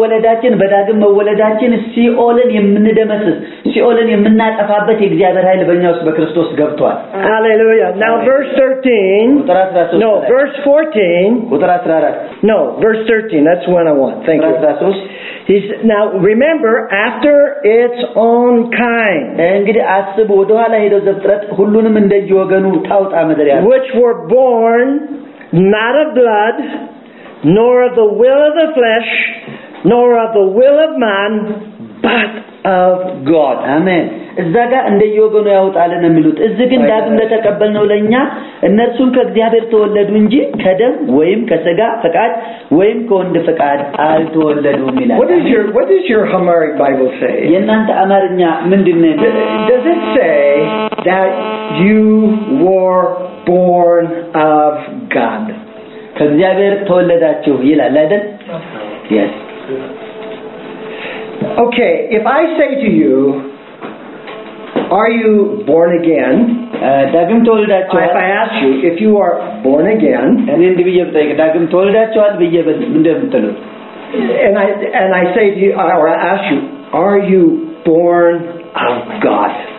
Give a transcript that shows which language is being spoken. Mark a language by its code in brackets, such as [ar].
[am] ወለዳችን በዳግም ወለዳችን ሲኦልን የምንደመስስ ሲኦልን የምናጠፋበት የእግዚአብሔር ኃይል በእኛ ውስጥ በክርስቶስ ገብቷል [en] ሃሌሉያ now verse 13 no verse 14 [am] ቁጥር 14 [en] No, verse 13, that's what I want. Thank you. He's, now, remember, after its own kind, which were born not of blood, nor of the will of the flesh, nor of the will of man, but of God. Amen. [am] እዛጋ እንደየወገኑ ያውጣለን የሚሉት እዚ ግን ዳግም ለተቀበልነው ለኛ እነርሱን ከእግዚአብሔር ተወለዱ እንጂ ከደም ወይም ከሥጋ ፈቃድ ወይም ከወንድ ፈቃድ አልተወለዱም ይላል [en] What is your Amharic Bible say? [am] የናንተ አማርኛ ምንድነው? [en] Does it say that you were born of God? [am] ከእግዚአብሔር ተወለዳችሁ ይላል አይደል? [en] Yes. Okay, if I say to you Are you born again? [am] Dagum toldachwal. [en] If I ask you if you are born again, and then [am] biye betayke dagum toldachwal biye mendemtelu. [en] And I say to you or I ask you, are you born of God?